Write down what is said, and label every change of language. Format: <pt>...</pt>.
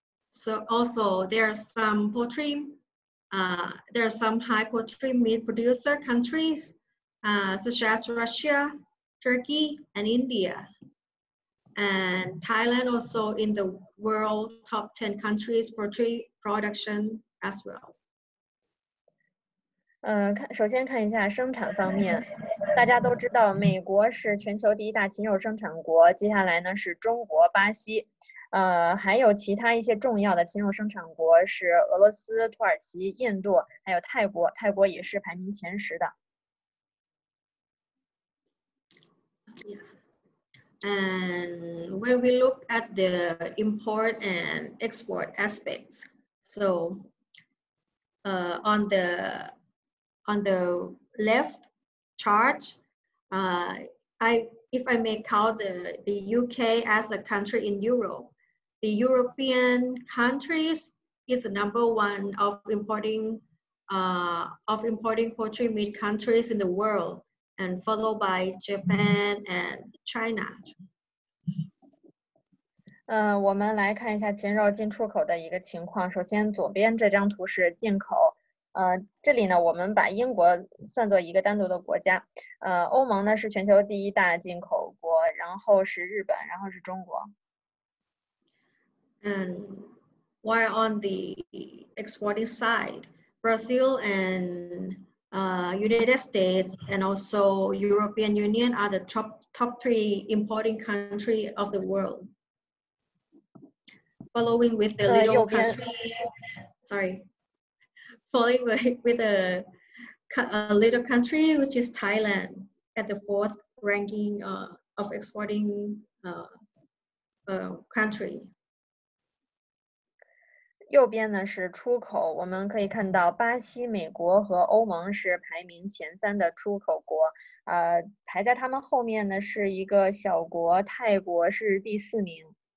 <en>So also there are some high poultry meat producer countries, such as Russia. Turkey and India, and Thailand also in the world top 10 countries for poultry production as well.</en> <zh>首先看一下生产方面，大家都知道美国是全球第一大禽肉生产国，接下来呢是中国、巴西，还有其他一些重要的禽肉生产国是俄罗斯、土耳其、印度，还有泰国，泰国也是排名前十的。</zh> <en>Yes. And when we look at the import and export aspects, so on the left chart, if I may call the UK as a country in Europe, the European countries is the number one of importing of importing poultry meat countries in the world, and followed by Japan and China.</en> <zh>我们来看一下禽肉进出口的一个情况。首先，左边这张图是进口。这里呢，我们把英国算作一个单独的国家。欧盟呢是全球第一大进口国，然后是日本，然后是中国。</zh> <en>And while on the exporting side, Brazil and United States and also European Union are the top three importing country of the world. Following with the little country, following with a little country, which is Thailand, at the fourth ranking of exporting country.</en> <zh>右边呢是出口，我们可以看到巴西、美国和欧盟是排名前三的出口国。排在他们后面呢是一个小国，泰国是第四名。</zh>